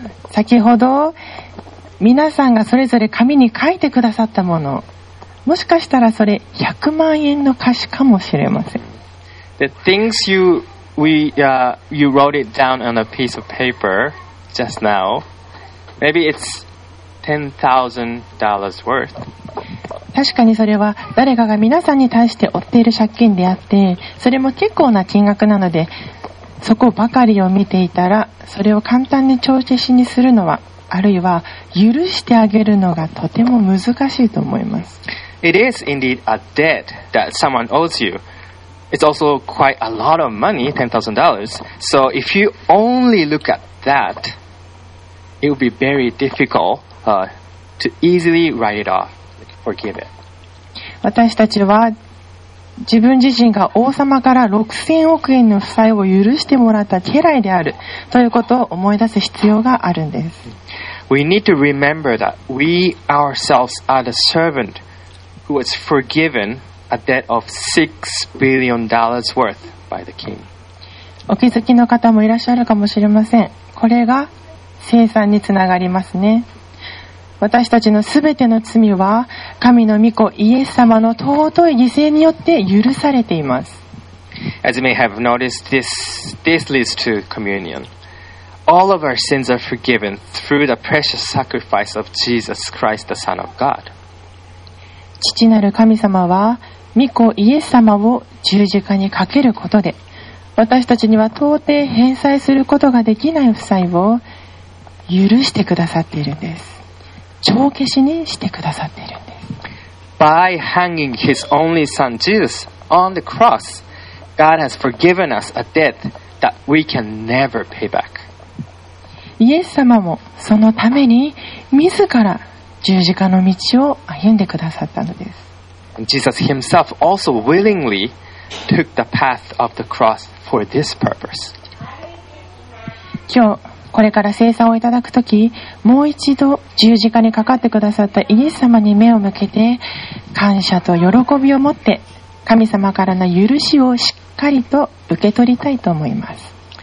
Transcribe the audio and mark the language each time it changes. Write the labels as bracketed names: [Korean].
[Japanese] 先ほど皆さんがそれぞれ紙に書いてくださったもの、もしかしたらそれ100万円の貸しかもしれません。 [English] The things you wrote it down on a piece of paper just now, maybe it's $10,000 worth. [Japanese] 確かにそれは誰かが皆さんに対して負っている借金であって、それも結構な金額なので、そこばかりを見ていたら、それを簡単に帳消しにするのは、あるいは許してあげるのがとても難しいと思います。 [English] It is indeed a debt that someone owes you. It's also quite a lot of money, $10,000. So if you only look at that, it would be very difficult, to easily write it off, forgive it. [Japanese] 私たちは自分自身が王様から6000億円の負債を許してもらった家来であるということを思い出す必要があるんです。 [English] We need to remember that we ourselves are the servant who was forgiven a debt of $6 billion worth by the king. [Japanese] お気づきの方もいらっしゃるかもしれません。これが清算につながりますね。私たちのすべての罪は神の御子イエス様の尊い犠牲によって許されています。 [English] As you may have noticed, this leads to communion. All of our sins are forgiven through the precious sacrifice of Jesus Christ, the Son of God. [Japanese] 父なる神様は御子イエス様を十字架にかけることで、私たちには到底返済することができない負債を許してくださっているんです。帳消しにしてくださっているんです。 [English] By hanging his only son Jesus on the cross, God has forgiven us a debt that we can never pay back. [Japanese] イエス様もそのために自ら十字架の道を歩んでくださったのです。 [English] Jesus himself also willingly took the path of the cross for this purpose. [Japanese] 今日これから聖餐をいただくとき、もう一度十字架にかかってくださったイエス様に目を向けて、感謝と喜びを持って神様からの許しをしっかりと受け取りたいと思います。